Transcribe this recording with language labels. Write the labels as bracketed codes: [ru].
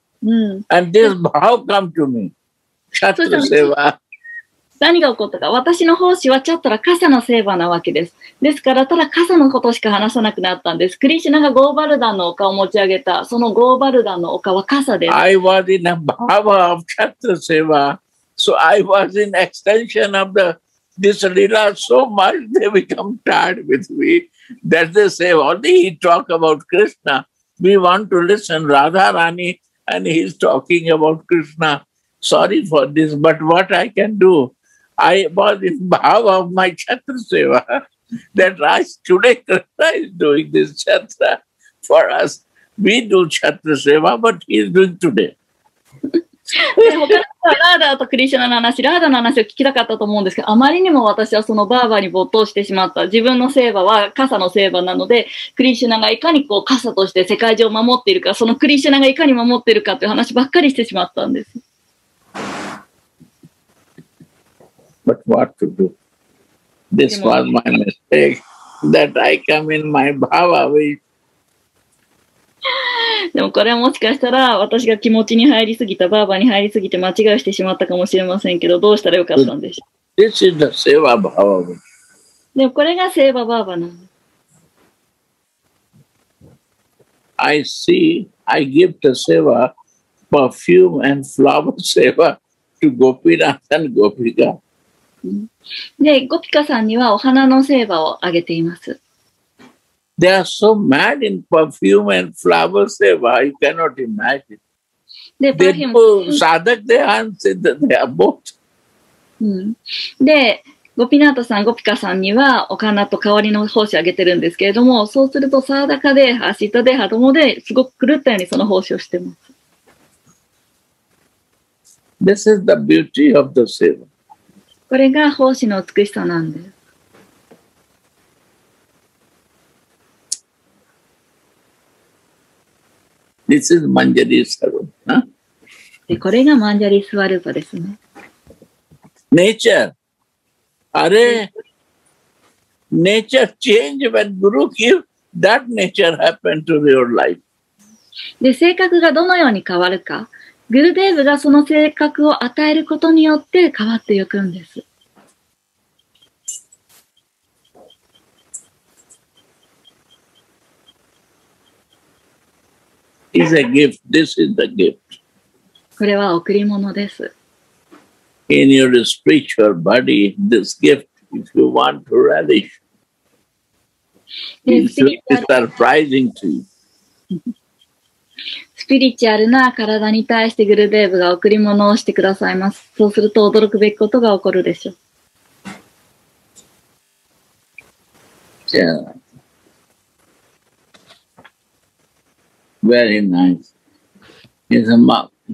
[en] And this how come to me? Chatra Seva. [ja] 何が起こったか、私の奉仕はチャットラ、傘のセーバーなわけです。ですから、ただ傘のことしか話さなくなったんです。クリシュナがゴーバルダンの丘を持ち上げた、そのゴーバルダンの丘は傘です。 [en] I was in a bhava of chatra seva, so I was in extension of this lila so much they become tired with me that they say, only he talk about Krishna. We want to listen Radharani and he is talking about Krishna. Sorry for this, but what I can do? I was in bhava of my chatra seva. That Raj, today Krishna is doing this chatra for us. We do chatra seva, but he is doing today. [ja] ラーダーとクリシュナの話、ラーダーの話を聞きたかったと思うんですけど、あまりにも私はそのバーバーに没頭してしまった。自分のセーバーは傘のセーバーなので、クリシュナがいかにこう傘として世界中を守っているか、そのクリシュナがいかに守っているかという話ばっかりしてしまったんです。 [en] But what to do? This was my mistake that I come in my bhava way. [ja] でもこれはもしかしたら私が気持ちに入りすぎた、バーバーに入りすぎて間違いしてしまったかもしれませんけど、どうしたらよかったんでしょう。 [en] This is the seva bhava way. [ja] でもこれがセーババーバーなんです。 [en] I see, I give the seva perfume and flower seva to Gopinath and Gopika. [ja] で、ゴピカさんにはお花のセーバーをあげています。 [en] They are so mad in perfume and flower seva, you cannot imagine. [ja] で、パーヒム。で、ゴピナートさん、ゴピカさんには、お花と香りの胞子をあげてるんですけれども、そうすると、サーダカデーハ、シッタデーハともで、すごく狂ったようにその胞子をしてます。 [en] This is the beauty of the seva. [ja] これが胞子の美しさなんです。 [en] This is Manjari Swarupa. [ja] で、これがマンジャリスワルパですね。 [en] Nature. あれ、Nature change when Guru give that nature happen to your life. [ja] で、性格がどのように変わるか。グルデーブがその性格を与えることによって変わっていくんです。 [en] Is a gift. This is the gift. [ja] これは贈り物です。 [en] In your spiritual body, this gift, if you want to relish, is surprising to you. [ja] スピリチュアルな体に対してグルデーブが贈り物をしてくださいます。そうすると驚くべきことが起こるでしょう。じゃあ。 [en] Very nice. It's a map.